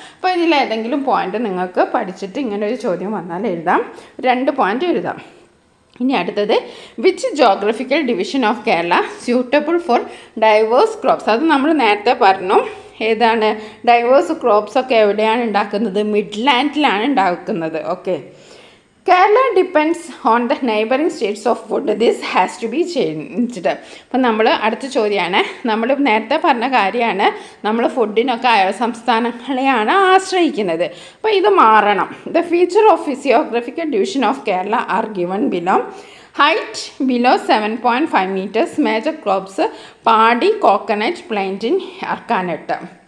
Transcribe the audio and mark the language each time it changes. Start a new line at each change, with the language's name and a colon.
Malayalam: അപ്പോൾ ഇതിൽ ഏതെങ്കിലും പോയിൻ്റ് നിങ്ങൾക്ക് പഠിച്ചിട്ട് ഇങ്ങനെ ഒരു ചോദ്യം വന്നാൽ എഴുതാം, രണ്ട് പോയിൻ്റ് എഴുതാം. ഇനി അടുത്തത്,
English: Which geographical division of Kerala suitable for diverse crops?
Malayalam: അത് നമ്മൾ നേരത്തെ പറഞ്ഞു. ഏതാണ് ഡൈവേഴ്സ് ക്രോപ്സ് ഒക്കെ? എവിടെയാണ് ഉണ്ടാക്കുന്നത്? മിഡ്ലാൻഡിലാണ് ഉണ്ടാക്കുന്നത്. Okay,
English: Kerala depends on the neighboring states of food. This has to be changed.
Malayalam: അപ്പോൾ നമ്മൾ അടുത്ത ചോദ്യമാണ്. നമ്മൾ നേരത്തെ പറഞ്ഞ കാര്യമാണ് നമ്മൾ ഫുഡിനൊക്കെ അയൽ സംസ്ഥാനങ്ങളെയാണ് ആശ്രയിക്കുന്നത്. അപ്പോൾ ഇത് മാറണം.
English: The feature of physiographical division of Kerala are given below. Height below 7.5 meters. Major crops paddy, coconut, plantain, arecanut.